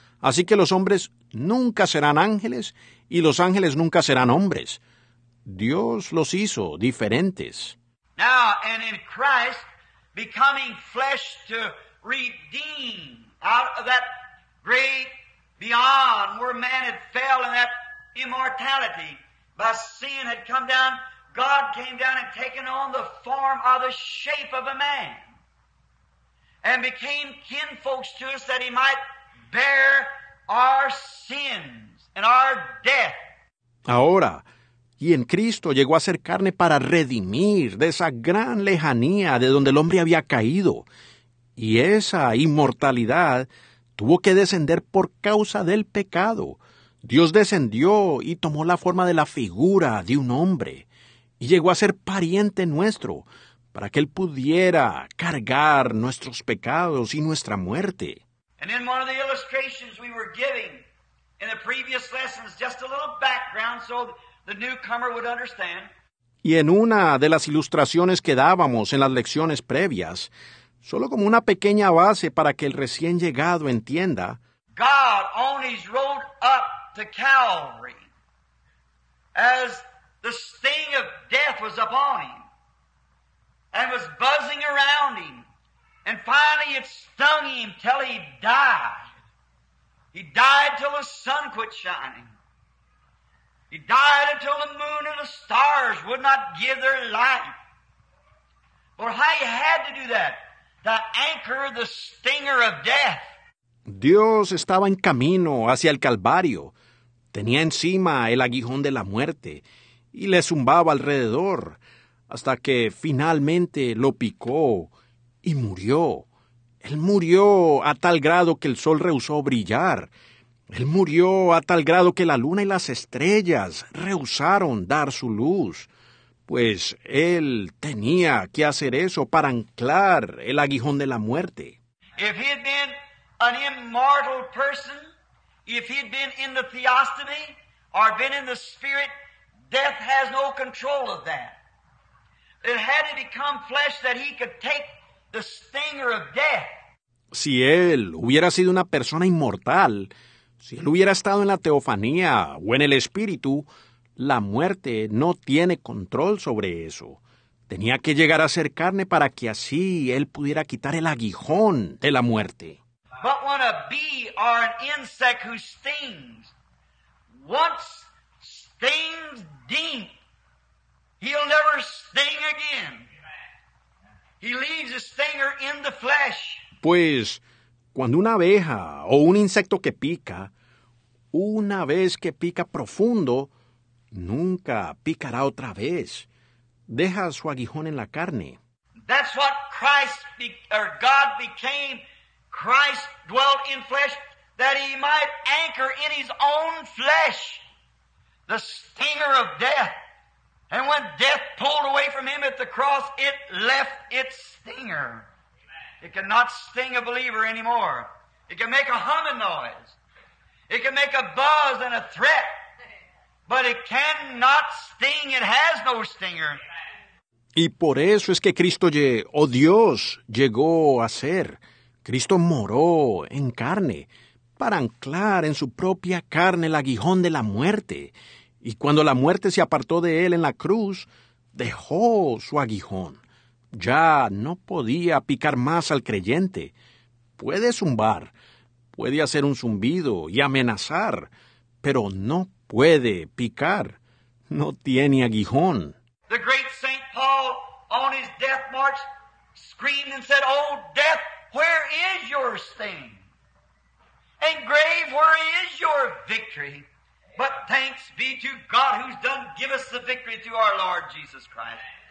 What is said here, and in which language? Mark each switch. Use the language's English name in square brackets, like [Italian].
[Spanish] Así que los hombres nunca serán ángeles y los ángeles nunca serán hombres. Dios los hizo diferentes. [English] Now, and in Christ becoming flesh to redeem out of that great beyond where man had fell in that immortality by sin had come down, God came down and taken on the form or the shape of a man and became kinfolks to us that he might bear our sins and our death. [Spanish] Ahora, y en Cristo llegó a ser carne para redimir de esa gran lejanía de donde el hombre había caído. Y esa inmortalidad tuvo que descender por causa del pecado. Dios descendió y tomó la forma de la figura de un hombre. Y llegó a ser pariente nuestro para que él pudiera cargar nuestros pecados y nuestra muerte. [English] And in one of the illustrations we were giving in the previous lessons, just a little background so the newcomer would understand. [Spanish] Y en una de las ilustraciones que dábamos en las lecciones previas, solo como una pequeña base para que el recién llegado entienda, [English] God on his road up to Calvary, as the sting of death was upon him and was buzzing around him, and finally it stung him till he died. He died till the sun quit shining. He died until the moon and the stars would not give their light. But how he had to do that, to anchor the stinger of death. [Spanish] Dios estaba en camino hacia el Calvario. Tenía encima el aguijón de la muerte y le zumbaba alrededor hasta que finalmente lo picó y murió. Él murió a tal grado que el sol rehusó brillar. Él murió a tal grado que la luna y las estrellas rehusaron dar su luz. Pues él tenía que hacer eso para anclar el aguijón de la muerte. [English] If he had been an immortal person, if he had been in the theosophy or been in the spirit, death has no control of that. It had to become flesh that he could take the stinger of death. [Spanish] Si él hubiera sido una persona inmortal, si él hubiera estado en la teofanía o en el espíritu, la muerte no tiene control sobre eso. Tenía que llegar a ser carne para que así él pudiera quitar el aguijón de la muerte. [English] But when a bee or an insect who stings once stings deep, he'll never sting again. He leaves a stinger in the flesh. [Spanish] Pues, cuando una abeja o un insecto que pica, una vez que pica profundo, nunca picará otra vez. Deja su aguijón en la carne. [English] That's what Christ, or God became. Christ dwelt in flesh that he might anchor in his own flesh the stinger of death. And when death pulled away from him at the cross, it left its stinger. It cannot sting a believer anymore. It can make a humming noise. It can make a buzz and a threat. But it cannot sting. It has no stinger. [Spanish] Y por eso es que Cristo, Dios, llegó a ser. Cristo moró en carne para anclar en su propia carne el aguijón de la muerte. Y cuando la muerte se apartó de él en la cruz, dejó su aguijón. Ya no podía picar más al creyente. Puede zumbar, puede hacer un zumbido y amenazar, pero no puede picar. No tiene aguijón. [English] The great Saint Paul on his death march screamed and said, "Oh, death, where is your sting? And grave, where is your victory? But thanks be to God who's done give us the victory through our Lord Jesus Christ.